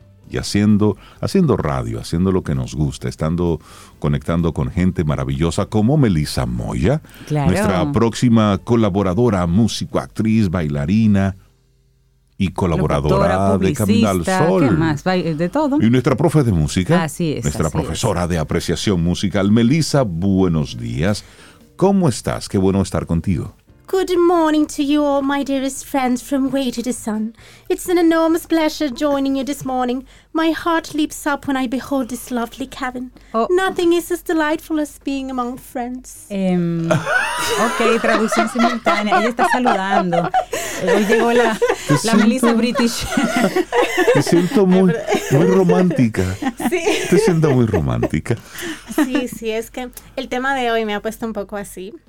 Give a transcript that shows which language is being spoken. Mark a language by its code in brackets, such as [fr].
[es] Y haciendo radio, haciendo lo que nos gusta, estando conectando con gente maravillosa como Melissa Moya, claro, nuestra próxima colaboradora, músico, actriz, bailarina y colaboradora de Camino al Sol. ¿Qué más? De todo. Y nuestra profe de música. Así es. Nuestra así profesora es. De apreciación musical. Melissa, buenos días. ¿Cómo estás? Qué bueno estar contigo. [en] Good morning to you all, my dearest friends from Way to the Sun. It's an enormous pleasure joining you this morning. My heart leaps up when I behold this lovely cabin. Oh. Nothing is as delightful as being among friends. [es] Ok, traducción simultánea. Ella está saludando. Hoy llegó la Melissa British. Te siento muy, muy romántica. Sí. Te siento muy romántica. Sí, sí, es que el tema de hoy me ha puesto un poco así.